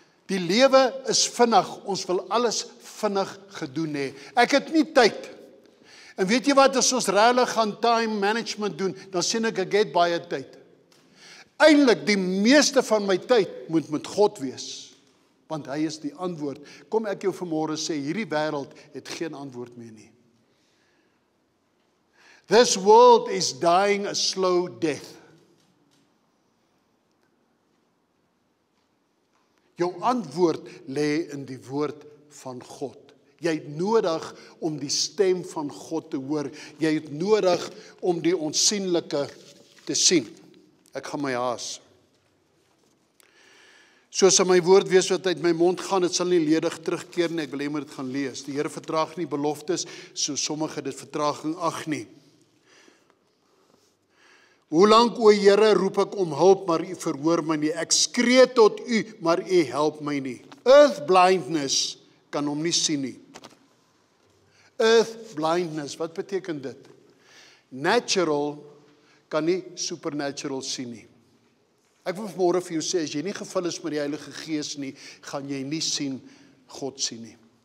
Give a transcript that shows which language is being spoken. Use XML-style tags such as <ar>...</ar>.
<af>Die lewe is vinnig, ons wil alles vinnig gedoen hê. Ek het nie tyd. En weet jy wat, as ons regtig gaan time management doen, dan sien ek, ek het baie tyd. Eindelijk, die meeste van my tyd moet met God wees. Want hy is die antwoord. Kom ek jou vanmôre sê, hierdie wêreld het geen antwoord meer nie.</af> <en>This world is dying a slow death.</en> <af>Jou antwoord lê in die woord van God. Jy het nodig om die stem van God te hoor. Jy het nodig om die onsienlike te sien. Ek gaan my haas. Soos in my woord wees wat uit my mond gaan, het sal nie ledig terugkeer nie, ek wil hê moet dit gaan lees. Die Heere vertraag nie beloftes, so sommige dit vertraging ag nie. Hoe lank, o Heere, roep ek om hulp, maar u verhoor my nie. Ek skree tot u, maar u help my nie. Earth blindness kan hom nie sien nie. Earth blindness, wat beteken dit? Natural kan nie supernatural sien nie. Ek wil vanmôre vir jou sê, as jy nie gevul is met die Heilige Gees nie, gaan jy nie sien God sien nie.</af>